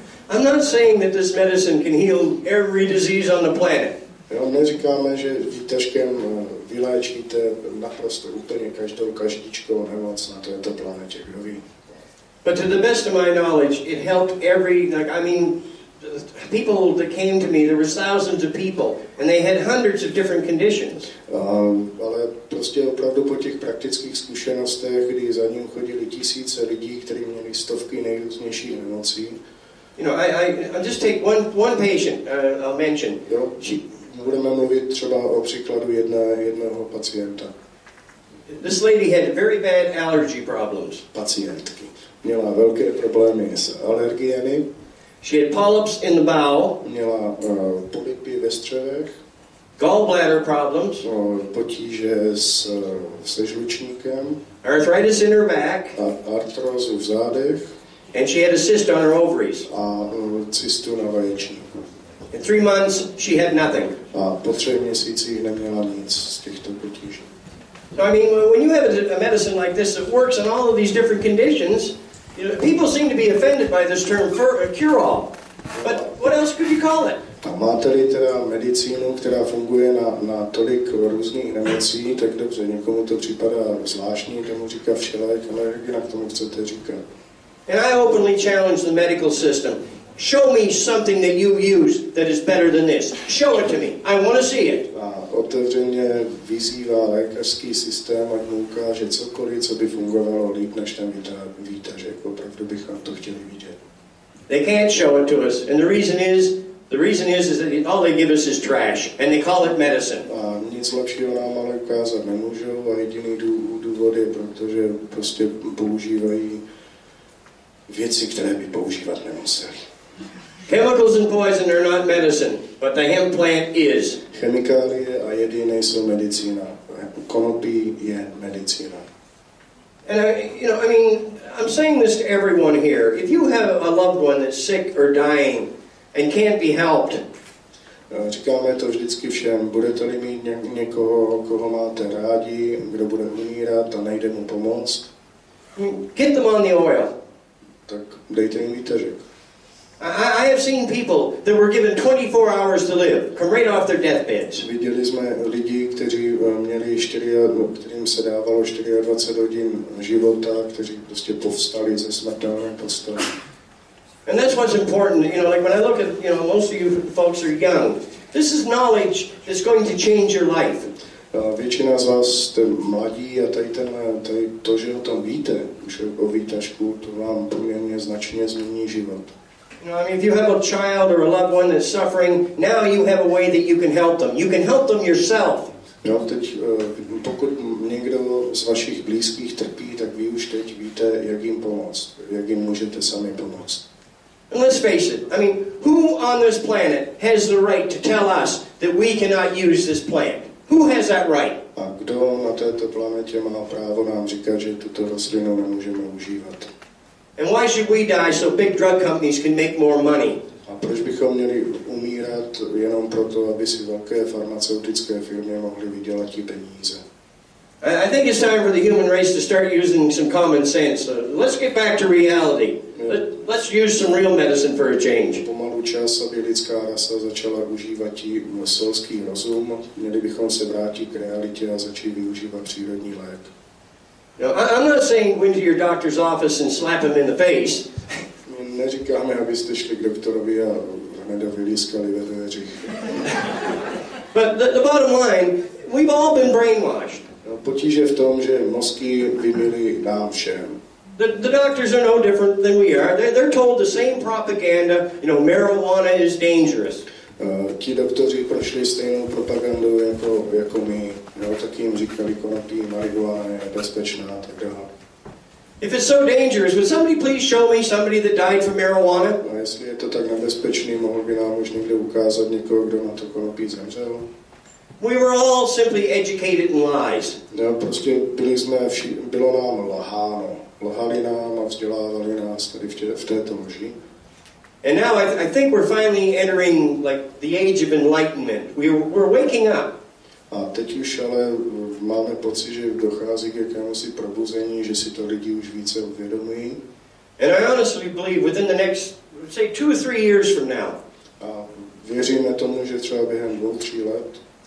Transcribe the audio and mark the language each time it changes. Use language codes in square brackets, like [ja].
[en] I'm not saying that this medicine can heal every disease on the planet. [cs] Jo, neříkáme, že výtažkem vyléčíte naprosto úplně každou každičkou nemoc na této planetě, kdo ví. [en] But to the best of my knowledge, it helped every, like, I mean, people that came to me, there were thousands of people, and they had hundreds of different conditions. [cs] Ale prostě opravdu po těch praktických zkušenostech, kdy za ním chodili tisíce lidí, kteří měli stovky nejrůznějších nemocí. [en] You know, I'll just take one patient, I'll mention. [cs] Jo, budeme mluvit třeba o příkladu jednoho pacienta. [en] This lady had very bad allergy problems. [cs] Pacientky. Měla velké problémy s alergiemi. [en] She had polyps in the bowel. [cs] Měla polypy ve střevech. [en] Gallbladder problems. [cs] Potíže se žlučníkem. [en] Arthritis in her back. [cs] A artrózu v zádech. [en] And she had a cyst on her ovaries. [cs] A cystu na vaječníku. [en] In 3 months, she had nothing. [cs] A po 3 měsících neměla nic z těchto potíží. [en] So, I mean, when you have a medicine like this that works in all of these different conditions, you know, people seem to be offended by this term cure-all. But what else could you call it? [cs] A máte-li teda medicínu, která funguje na tolik různých nemocí, tak dobře, někomu to připadá zvláštní, kdo mu říká všelék, ale jak jinak tomu chcete říkat? [en] And I openly challenge the medical system. Show me something that you use that is better than this. Show it to me. I want to see it. [cs] A otevřeně vyzývá lékařský systém, ať mu ukáže cokoliv, co by fungovalo líp než ten výtažek. Opravdu bychom to chtěli vidět. [en] They can't show it to us. And the reason is that all they give us is trash. And they call it medicine. [cs] A nic lepšího nám ale ukázat nemůžou. A jediný důvod je, protože prostě používají věci, které by používat nemuseli. [en] Chemicals and poison are not medicine, but the hemp plant is. [cs] Chemikálie a jedy nejsou medicína. Konopí je medicína. [en] And I'm saying this to everyone here. If you have a loved one that's sick or dying and can't be helped. [cs] Říkáme to vždycky všem. Budete-li mít někoho, koho máte rádi, kdo bude umírat a nejde mu pomoc. [en] Get them on the oil. [cs] Tak dejte jim výtažek. [en] I have seen people that were given 24 hours to live, come right off their deathbeds. [cs] Viděli jsme lidi, kteří měli 24, kterým se dávalo 24 hodin života, kteří prostě povstali ze smrtelné postele. [en] And that's what's important, you know, like when I look at, you know, most of you folks are young. This is knowledge that's going to change your life. [cs] Většina z vás jste mladí a tady to, že o tom víte, už o výtažku, to vám poměrně značně změní život. [en] No, I mean, if you have a child or a loved one that's suffering, now you have a way that you can help them. You can help them yourself. [cs] No, teď, pokud někdo z vašich blízkých trpí, tak vy už teď víte, jak jim pomoct, jak jim můžete sami pomoct. [en] And let's face it. I mean, who on this planet has the right to tell us that we cannot use this plant? Who has that right? [cs] A kdo na této planetě má právo nám říkat, že tuto rostlinu nemůžeme užívat? [en] And why should we die so big drug companies can make more money? [cs] A proč bychom měli umírat jenom proto, aby si velké farmaceutické firmy mohly vydělat ty peníze? [en] I think it's time for the human race to start using some common sense. Let's get back to reality. Let's use some real medicine for a change. [cs] Pomalu čas, aby lidská rasa začala užívat selský rozum, měli bychom se vrátit k realitě a začít využívat přírodní lék. [en] No, I'm not saying go into your doctor's office and slap him in the face. [cs] Neříkáme, abyste šli k doktorovi a hned vylískali ve dveřích. [en] But the bottom line, we've all been brainwashed. [cs] No, potíže v tom, že mozky vybyly nám všem. [en] The doctors are no different than we are. They're told the same propaganda, you know, marijuana is dangerous. [cs] Ti doktoři prošli stejnou propagandou jako my. No, tak jim říkali konopí, marihuana je bezpečná a tak dále. [en] If it's so dangerous, would somebody please show me somebody that died from marijuana? No, [cs] jestli je to tak nebezpečný, mohl by nám už někde ukázat někoho, kdo na to konopí zemřel? [en] We were all simply educated in lies. [cs] No, prostě byli jsme bylo nám lháno. Lhali nám a vzdělávali nás tady v této lži. [en] And now I think we're finally entering like the age of enlightenment. We're waking up. [cs] A teď už ale máme pocit, že dochází k jakémusi probuzení, že si to lidi už více uvědomují. [en] And I honestly believe within the next, say, 2 or 3 years from now. [cs] A věříme tomu, že třeba během 2-3 let.